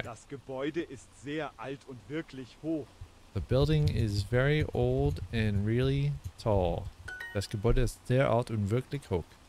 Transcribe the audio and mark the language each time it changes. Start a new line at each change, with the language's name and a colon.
German: Das Gebäude ist sehr alt und wirklich hoch.
English: The building is very old and really tall.
German: Das Gebäude ist sehr alt und wirklich hoch.